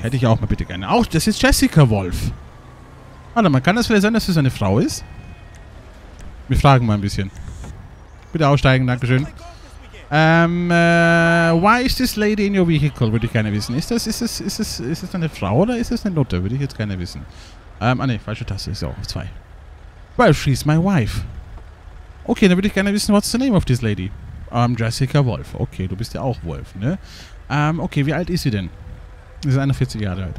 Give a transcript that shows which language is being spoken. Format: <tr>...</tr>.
<de>Hätte ich auch mal bitte gerne. Auch, das ist Jessica Wolf. Warte mal, kann das vielleicht sein, dass das eine Frau ist? Wir fragen mal ein bisschen. Bitte aussteigen, dankeschön.</de> <en>Why is this lady in your vehicle?</en> <de>Würde ich gerne wissen. Ist das eine Frau oder ist das eine Nutte? Würde ich jetzt gerne wissen. Falsche Taste. So, auf zwei.</de> <en>Well, she's my wife.</en> <de>Okay, dann würde ich gerne wissen,</de> <en>what's the name of this lady? Jessica Wolf.</en> <de>Okay, du bist ja auch Wolf, ne? Okay, wie alt ist sie denn? Sie ist 41 Jahre alt.</de>